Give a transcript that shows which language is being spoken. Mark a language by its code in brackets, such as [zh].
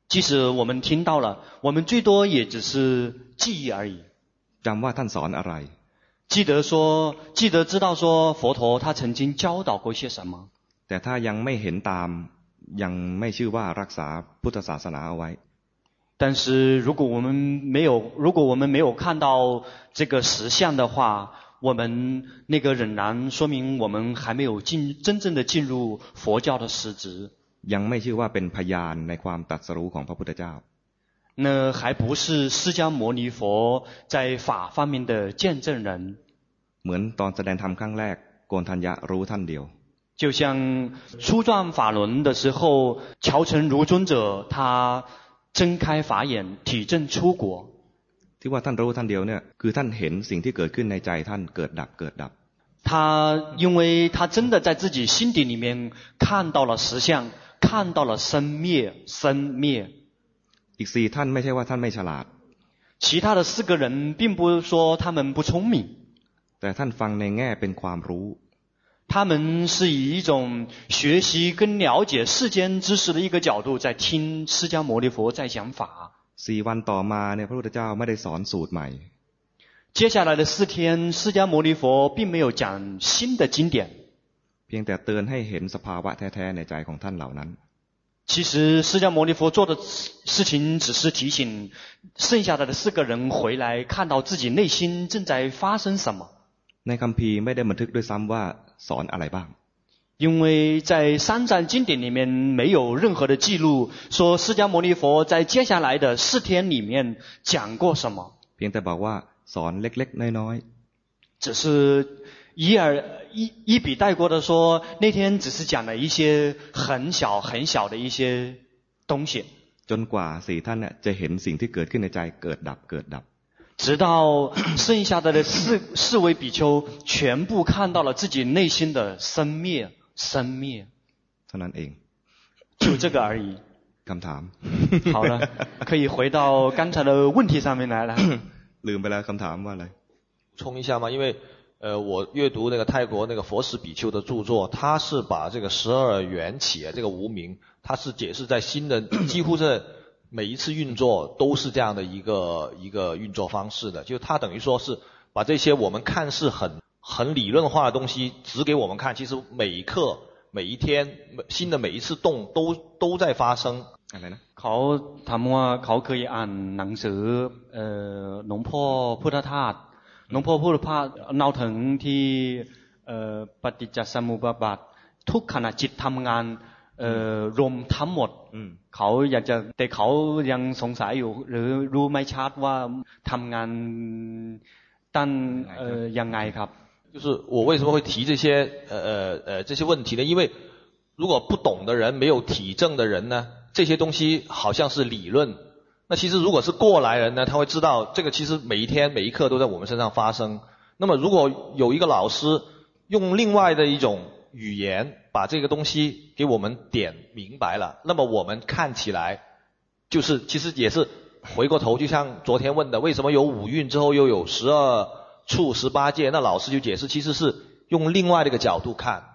[zh] 即使我们听到了我们最多也只是记忆而已 [th] จำว่าท่านสอนอะไร [zh] 记得知道说佛陀他曾经教导过些什么 [th] แต่ถ้ายังไม่เห็นตามยังไม่ชื่อว่ารักษาพุทธศาสนาเอาไว้ [zh] 但是如果我们没有看到这个实相的话我们那个仍然说明我们还没有真正的进入佛教的实质 [th] ยังไม่ชื่อว่าเป็นพยานในความตรัสรู้ของพระพุทธเจ้า [zh] 那还不是释迦牟尼佛在法方面的见证人 [th] เหมือนตอนแสดงธรรมครั้งแรกโกณฑัญญะรู้ท่านเดียว [zh] 就像初转法轮的时候乔成如尊者他睁开法眼体证出果 [th] ที่ว่าท่านรู้ท่านเดียวเนี่ยคือท่านเห็นสิ่งที่เกิดขึ้นในใจท่านเกิดดับเกิดดับ [zh] 他因为他真的在自己心底里面看到了实相看到了生灭生灭 [th] อีก4ท่านไม่ใช่ว่าท่านไม่ฉลาด [zh] 其他的4个人并不说他们不聪明 [th] แต่ท่านฟังในแง่เป็นความรู้ [zh] 他们是以一种学习跟了解世间知识的一个角度在听释迦牟尼佛在讲法 [th] 4วันต่อมาเนี่ยพระพุทธเจ้าไม่ได้สอนสูตรใหม่ [zh] 接下来的4天释迦牟尼佛并没有讲新的经典 [th] เพียงแต่เตือนให้เห็นสภาวะแท้ๆในใจของท่านเหล่านั้น [zh] 其实释迦牟尼佛做的事情只是提醒剩下来的4个人回来看到自己内心正在发生什么 [th] ในคัมภีร์ไม่ได้บันทึกด้วยซ้ำว่าสอนอะไรบ้าง [zh] 因为在三藏经典里面没有任何的记录说释迦牟尼佛在接下来的四天里面讲过什么 [th] เพียงแต่บอกว่าสอนเล็กๆน้อย [zh] ๆ只是一笔带过的说那天只是讲了一些很小很小的一些东西 [th] จนกว่า4ท่านน่ะจะเห็นสิ่งที่เกิดขึ้นในใจเกิดดับเกิดดับ [zh] 直到剩下的四位比丘全部看到了自己内心的生灭生灭 [th] เท่านั้นเอง [zh] 就这个而已。 [th] คำถาม [zh] 好了，可以回到刚才的问题上面来了。 [th] ลืมไปแล้วคำถามว่าอะไร？ [zh] 冲一下嘛，因为我阅读那个泰国那个佛什比丘的著作，他是把这个十二缘起这个无明，他是解释在心的几乎是每一次运作都是这样的一个运作方式的，就他等于说是把这些我们看似很理论化的东西指给我们看，其实每一刻每一天心的每一次动都在发生。 [th] เ ขาถามว่าเขาเคยอ่านหนังสือหลวงพ่อพุทธทาสหลวงพ่อพุทธทาสเล่าถึงที่ปฏิจจสมุปบาททุกขณะจิตทำงานรวมทั้งหมดเขาอยากจะแต่เขายังสงสัยอยู่หรือรู้ไม่ชัดว่าทำงานตั้งยังไงครับ [zh] 就是我为什么会提这些这些问题呢？因为如果不懂的人，没有体证的人呢，这些东西好像是理论。那其实如果是过来人呢，他会知道这个其实每一天每一刻都在我们身上发生。那么如果有一个老师用另外的一种语言把这个东西给我们点明白了，那么我们看起来就是其实也是回过头，就像昨天问的，为什么有五蕴之后又有十二处十八界，那老师就解释其实是用另外的一个角度看。